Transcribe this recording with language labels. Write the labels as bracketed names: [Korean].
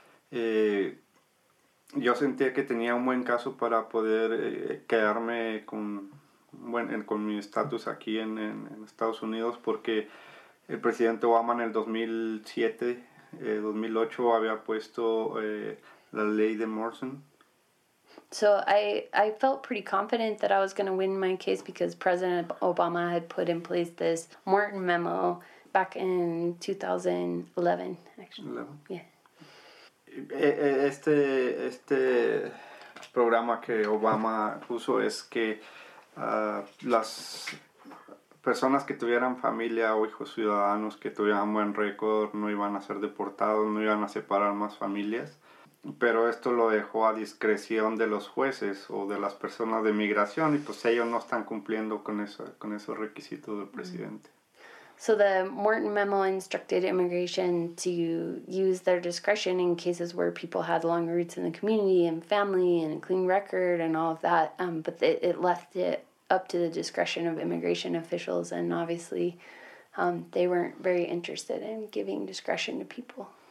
[Spanish] Yo sentía que tenía un buen caso para poder quedarme con mi estatus aquí en Estados Unidos, porque el presidente Obama en el 2008 había puesto la ley de Morrison. [English] So I felt pretty confident that I was going to win my case because President Obama had put in place this Morton memo back in 2011, actually. 11. Yeah. [Spanish] Este programa que Obama puso es que las personas que tuvieran familia o hijos ciudadanos que tuvieran buen récord no iban a ser deportados, no iban a separar más familias. Pero esto lo dejó a discreción de los jueces o de las personas de migración, y pues ellos no están cumpliendo con esos requisitos del presidente. [English] So the Morton memo instructed immigration to use their discretion in cases where people had long roots in the community and family and a clean record and all of that, but it left it up to the discretion of immigration officials, and obviously they weren't very interested in giving discretion to people.